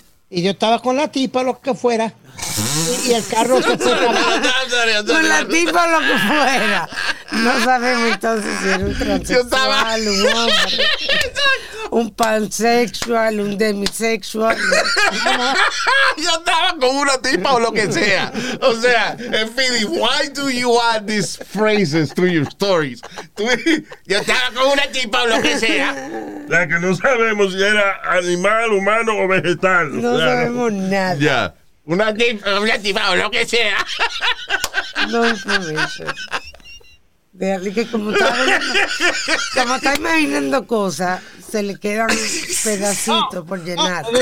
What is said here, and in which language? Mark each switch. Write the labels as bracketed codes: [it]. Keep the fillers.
[es] Y yo estaba con la tipa, lo que fuera y el carro con la tipa o lo que fuera. No sabemos entonces si era un transexual, yo estaba... un hombre, un pansexual, un demisexual. yo estaba con una tipa o lo que sea. O sea, [en] hey, fin why do you add these phrases to your stories? [es] yo estaba con una tipa o lo que sea. La que no sabemos si era animal, humano o vegetal. No sabemos nada. Ya. Yeah. Una tipa o lo que sea. No, no que como está imaginando cosas, se le quedan pedacito no, por llenar.